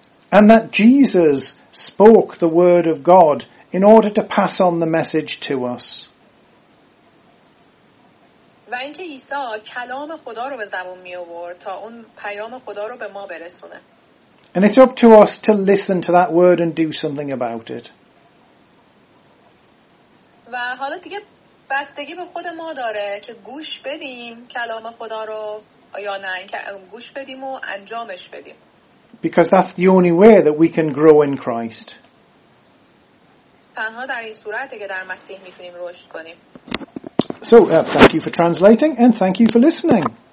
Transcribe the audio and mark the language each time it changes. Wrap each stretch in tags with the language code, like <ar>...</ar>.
<en>And that Jesus spoke the word of God in order to pass on the message to us.</en> <fa>و اینکه عیسی کلام خدا رو به زبون می آورد تا اون پیام خدا رو به ما برسونه.</fa> <en>And it's up to us to listen to that word and do something about it.</en> <fa>و حالا دیگه بستگی به خود ما داره که گوش بدیم کلام خدا رو یا نه، اینکه گوش بدیم و انجامش بدیم.</fa> <en>Because that's the only way that we can grow in Christ.</en> <fa>تنها در این صورته که در مسیح میتونیم رشد کنیم.</fa> <en>So, thank you for translating and thank you for listening.</en>